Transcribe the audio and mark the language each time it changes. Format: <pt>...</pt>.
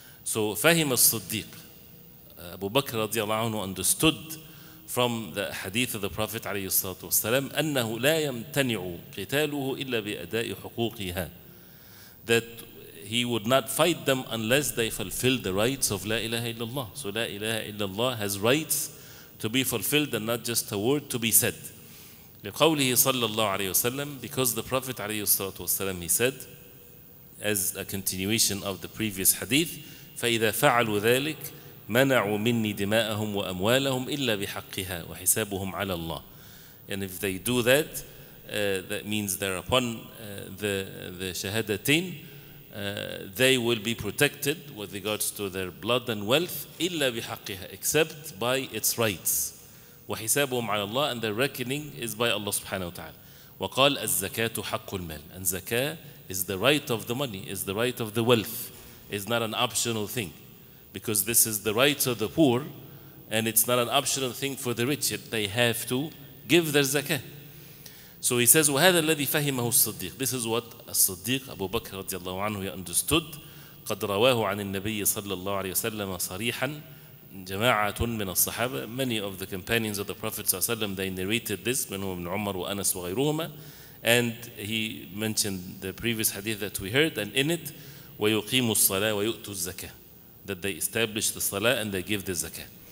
<en>So Fahim al-Siddiq, Abu Bakr radiallahu anhu understood from the hadith of the Prophet عليه الصلاة والسلام</en> <ar>أنه لا يمتنع قتاله إلا بأداء حقوقها,</ar> <en>that he would not fight them unless they fulfill the rights of La ilaha illallah. So La ilaha illallah has rights to be fulfilled and not just a word to be said.</en> <ar>لقوله صلى الله عليه وسلم,</ar> <en>because the Prophet</en> <ar>عليه الصلاة والسلام,</ar> <en>he said, as a continuation of the previous hadith,</en> <ar>فإذا فعلوا ذلك منعوا مني دماءهم وأموالهم إلا بحقها وحسابهم على الله.</ar> <en>And if they do that, that means they're upon the shahadatin, they will be protected with regards to their blood and wealth,</en> <ar>إلا بحقها,</ar> <en>except by its rights.</en> <ar>وحسابهم على الله,</ar> <en>and their reckoning is by Allah subhanahu wa ta'ala.</en> <ar>وقال الزكاة حق المال,</ar> <en>and زكاة is the right of the money, is the right of the wealth, is not an optional thing. Because this is the rights of the poor, and it's not an optional thing for the rich, yet they have to give their zakah. So he says,</en> <ar>وَهَذَا الَّذِي فَهِمَهُ الصَّدِّيقِ.</ar> <en>This is what الصَّدِّيق, Abu Bakr رضي الله عنه, he understood.</en> <ar>قَدْ رَوَاهُ عَنِ النَّبِيِّ صَلَّى اللَّهُ عَلَيْهِ وَسَلَّمَ صَرِيحًا جَمَاعَةٌ مِّنَ الصَّحَابَةِ.</ar> <en>Many of the companions of the Prophet صلى الله عليه وسلم, they narrated this,</en> <ar>منهم ابن عمر وأنس وغيرهما.</ar> <en>And he mentioned the previous hadith that we heard, and in it,</en> <ar>وَيُقِيمُ الصَّلَاةَ وَيُؤْتُ الزَّكَاةَ,</ar> <en>that they establish the salah and they give the zakah.</en>